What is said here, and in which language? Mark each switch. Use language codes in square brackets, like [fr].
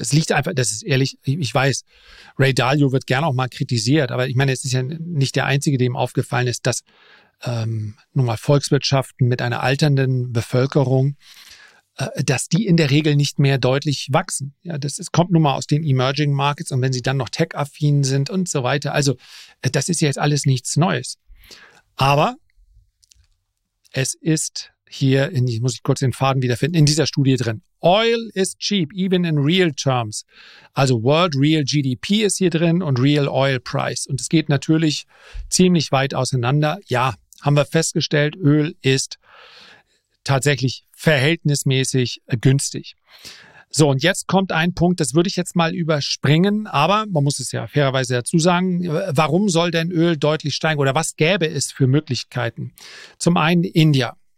[de] Es liegt einfach, das ist ehrlich, ich weiß, Ray Dalio wird gerne auch mal kritisiert, aber ich meine, es ist ja nicht der Einzige, dem aufgefallen ist, dass nun mal Volkswirtschaften mit einer alternden Bevölkerung, dass die in der Regel nicht mehr deutlich wachsen. Ja, es kommt nun mal aus den Emerging Markets und wenn sie dann noch tech-affin sind und so weiter. Also das ist jetzt alles nichts Neues. Aber es ist hier, ich muss kurz den Faden wiederfinden, in dieser Studie drin. [en] Oil is cheap, even in real terms. [de] Also World Real GDP ist hier drin und Real Oil Price. Und es geht natürlich ziemlich weit auseinander. Ja, haben wir festgestellt, Öl ist tatsächlich verhältnismäßig günstig. So, und jetzt kommt ein Punkt, das würde ich jetzt mal überspringen, aber man muss es ja fairerweise dazu sagen, warum soll denn Öl deutlich steigen oder was gäbe es für Möglichkeiten? Zum einen India.